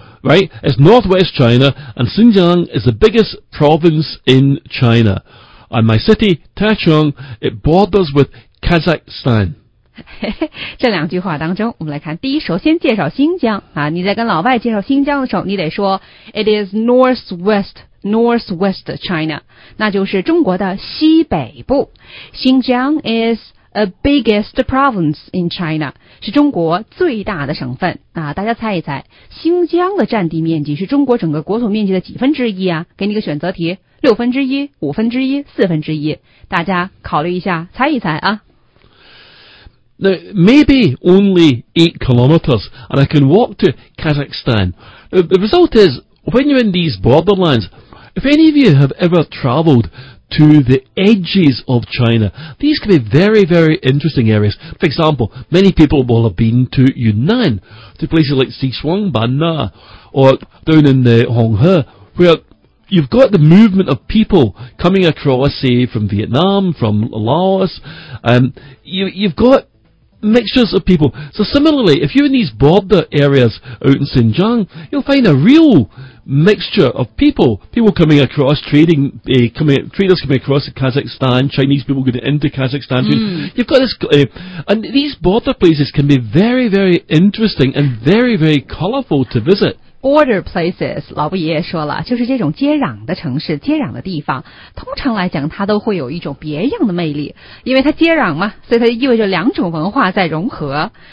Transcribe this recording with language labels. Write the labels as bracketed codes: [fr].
[en] Right, it's northwest China, and Xinjiang is the biggest province in China. And my city, Tacheng, it borders with Kazakhstan. [zh] 这两句话当中，我们来看第一，首先介绍新疆啊。你在跟老外介绍新疆的时候，你得说 [en] It is northwest China. [zh] 那就是中国的西北部。新疆 [en] is a biggest province in China. [zh] 是中国最大的省份啊。大家猜一猜，新疆的占地面积是中国整个国土面积的几分之一啊？给你个选择题。六分之一、五分之一、四分之一，大家考虑一下，猜一猜啊。 [en] Now, maybe only 8 kilometers, and I can walk to Kazakhstan. The result is, when you're in these borderlands, if any of you have ever traveled to the edges of China, these can be very, very interesting areas. For example, many people will have been to Yunnan, to places like Sichuan, Banna, or down in the Honghe, where... You've got the movement of people coming across, say, from Vietnam, from Laos. You've got mixtures of people. So similarly, if you're in these border areas out in Xinjiang, you'll find a real mixture of people. People coming across, traders coming across to Kazakhstan, Chinese people going into Kazakhstan. You've got this, and these border places can be very, very interesting and very, very colorful to visit. [zh] Border places, 老布爷爷说了，就是这种接壤的城市，接壤的地方，通常来讲它都会有一种别样的魅力，因为它接壤嘛，所以它意味着两种文化在融合。